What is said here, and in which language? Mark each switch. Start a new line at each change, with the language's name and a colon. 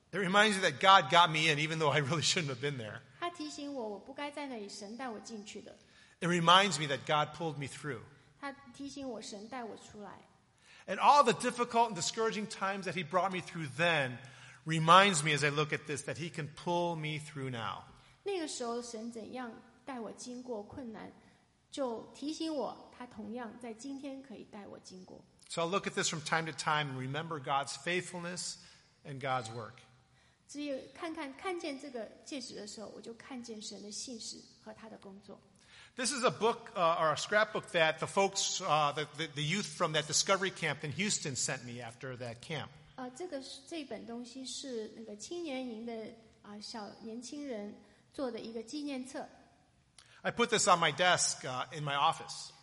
English: It reminds you that God got me in even though I really shouldn't have been there.
Chinese: 他提醒我我不该在那里神带我进去的。
English: It reminds me that God pulled me through.
Chinese: 他提醒我神带我出来。
English: And all the difficult and discouraging times that he brought me through then reminds me as I look at this that he can pull me through now.
Chinese: 那个时候神怎样带我经过困难就提醒我他同样在今天可以带我经过。
English: So I'll look at this from time to time and remember God's faithfulness and God's work.
Chinese: 只有看见这个戒指的时候我就看见神的信实和他的工作。
English: This is a book, or a scrapbook that the folks, the youth from that discovery camp in Houston sent me after that camp.
Chinese: 这本东西是那个青年营的小年轻人做的一个纪念册。
English: I put this on my desk, in my office.